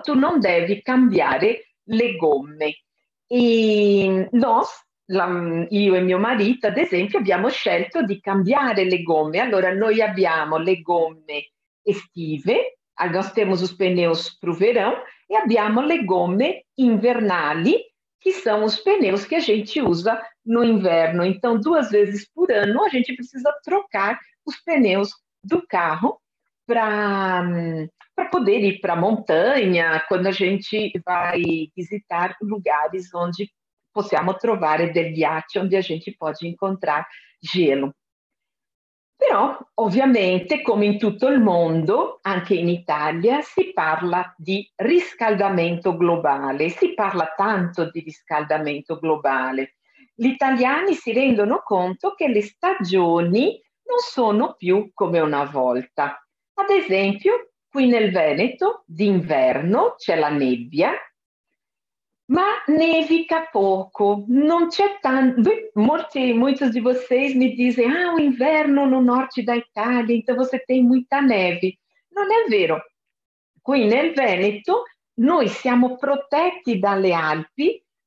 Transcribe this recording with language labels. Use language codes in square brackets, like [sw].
[it] Tu non devi cambiare le gomme. E noi, io e mio marito, ad esempio, abbiamo scelto di cambiare le gomme. Allora, noi abbiamo le gomme estive, [pt] nós temos os pneus pro verão, [it] e abbiamo le gomme invernali, che sono [pt] os pneus che a gente usa no inverno. Então, duas vezes por ano, a gente precisa trocar os pneus do carro para poder ir para a montanha, quando a gente vai visitar lugares onde [it] possiamo trovare del ghiaccio, [pt] onde a gente pode encontrar gelo. [it] Però, ovviamente, come in tutto il mondo, anche in Italia, si parla di riscaldamento globale, si parla tanto di riscaldamento globale. Gli italiani si rendono conto che le stagioni non sono più come una volta. Ad esempio, qui nel Veneto, d'inverno, c'è la nebbia, ma nevica poco, non c'è tanto. Molti di voi mi dicono: ah, un inverno [pt] no norte da Italia, então você tem muita neve. [it] Non è vero. Qui nel Veneto noi siamo protetti dalle Alpi,